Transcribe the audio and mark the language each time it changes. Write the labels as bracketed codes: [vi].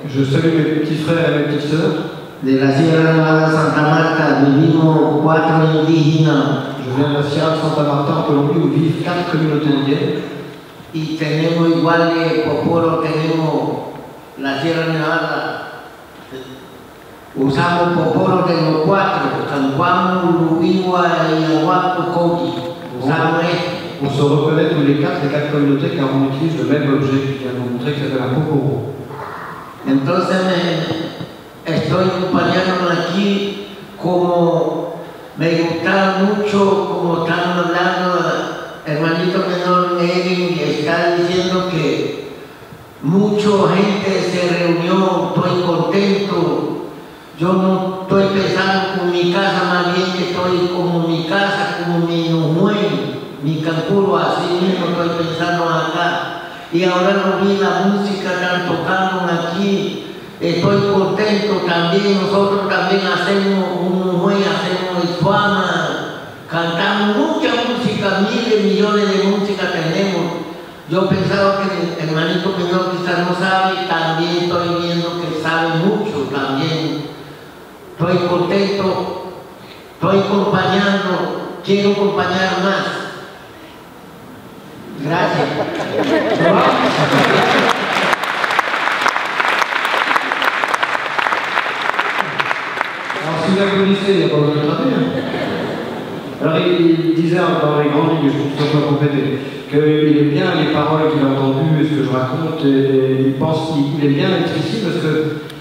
[fr] salue mes petits frères et mes petites sœurs. [es] De la Sierra Nevada Santa Marta, vivimos cuatro indígenas. [fr] Je viens de la Sierra Santa Marta en Colombie où vivent quatre communautés indiennes. [es] Y tenemos igual que Poporo, tenemos la Sierra Nevada. Usamos Poporo de los cuatro, San Juan, Uruguay y Aguaco, Coqui. Usamos esto. [fr] On se reconnaît tous les quatre communautés car on utilise le même objet qui vient nous montrer que c'est de la Poporo. [es] Entonces me estoy acompañando aquí como me gusta mucho como están hablando hermanito menor Erin y está diciendo que mucha gente se reunió, estoy contento. Yo no estoy pensando con mi casa, más bien que estoy como mi casa, como mi Nuhue, mi Cancuro, así mismo estoy pensando acá. Y ahora no vi la música tan tocando aquí. Estoy contento también, nosotros también hacemos un Nuhue, hacemos el Suama, cantamos mucha música, miles, millones de música tenemos. Yo pensaba que el hermanito menor quizás no sabe, también estoy viendo que sabe mucho también. Estoy contento, estoy acompañando, quiero acompañar más. Gracias. [fr] Alors si vous connaissez, il n'y a pas besoin de traiter. Alors il disait dans les grandes lignes, je trouve ça pas compété, qu'il aime bien les paroles qu'il a entendues et ce que je raconte, et il pense qu'il aime bien être ici parce que.